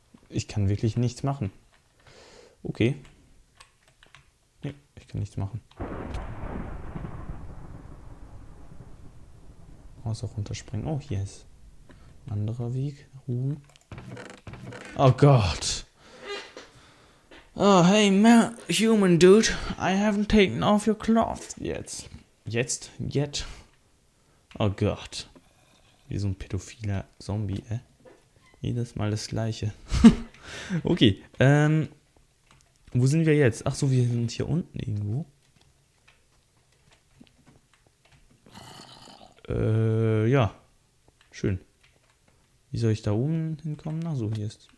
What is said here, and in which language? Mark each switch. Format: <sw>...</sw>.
<de>Ich kann wirklich nichts machen. Okay. Nee, ich kann nichts machen. Außer runterspringen. Oh, hier ist ein anderer Weg. Oh Gott.</de> <en>Oh, hey, man, human dude, I haven't taken off your clothes yet. Jetzt? Yet?</en> <de>Oh Gott. Wie so ein pädophiler Zombie, ey. Jedes Mal das Gleiche. Okay, wo sind wir jetzt? Ach so, wir sind hier unten irgendwo. Ja. Schön. Wie soll ich da oben hinkommen? Ach so, hier ist...</de>